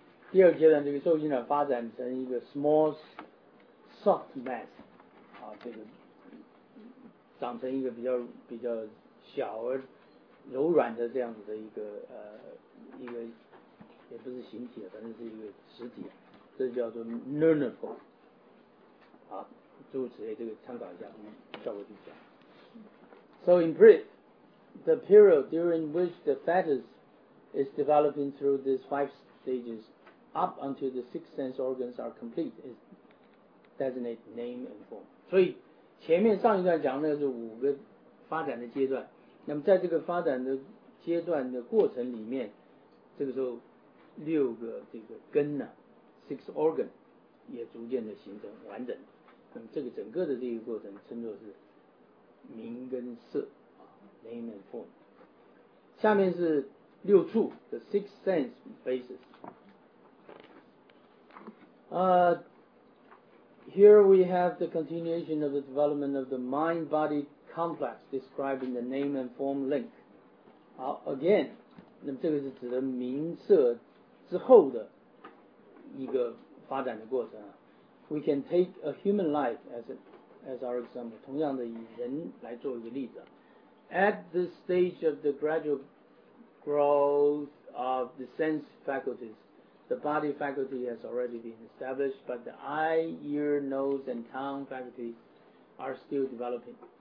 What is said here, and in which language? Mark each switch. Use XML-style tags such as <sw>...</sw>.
<zh>第二阶段，这个受精卵发展成一个</zh> <en>small soft mass，</en> <zh>啊，这个长成一个比较小而柔软的这样子的一个一个也不是形体，反正是一个实体，这叫做 nuncle。好，诸如此类，这个参考一下，效果就讲。</zh> <en>So in brief, the period during which the fetus is developing through these five stages. Up until the six sense organs are complete, is designate name and form.</en> <zh>所以前面上一段讲的是五个发展的阶段。那么在这个发展的阶段的过程里面，这个时候六个这个根呢 ，</zh> <en>six organ</en> <zh>也逐渐的形成完整。那么这个整个的这个过程称作是名跟色啊 ，</zh> <en>name and form。</en> <zh>下面是六处 ，</zh> <en>the six sense basis。 Here we have the continuation of the development of the mind-body complex described in the name and form link.</en> <zh>Again, 那么这个是指的名色之后的一个发展的过程啊。</zh> <en>We can take a human life as our example,</en> <zh>同样的以人来做一个例子。</zh> <en>At the stage of the gradual growth of the sense facultiesThe body faculty has already been established, but the eye, ear, nose, and tongue faculties are still developing.</en>